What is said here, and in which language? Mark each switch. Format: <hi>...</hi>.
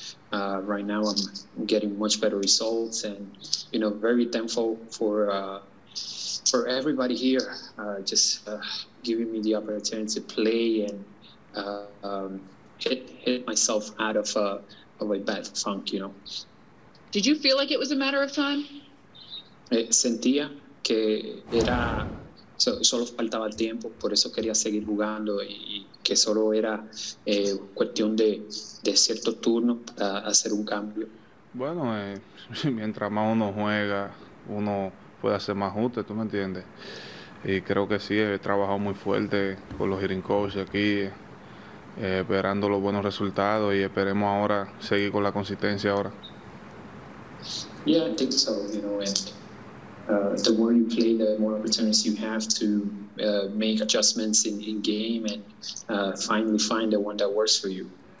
<en>And right now I'm getting much better results, and you know, very thankful for everybody here giving me the opportunity to play and hit myself out of a bad funk, you know. Did you feel like it was a matter of time?</en> <es>Sentía que era solo faltaba tiempo, por eso quería seguir jugando y que solo era cuestión de cierto turno para hacer un cambio. Bueno, mientras más uno juega, uno puede hacer más ajustes, ¿tú me entiendes? Y creo que sí, he trabajado muy fuerte con los hitting coaches aquí, esperando los buenos resultados y esperemos ahora seguir con la consistencia ahora.</es> <en>Yeah, I think so, you know, and the more you play, the more opportunities you have to make adjustments in game and finally find the one that works for you.</en>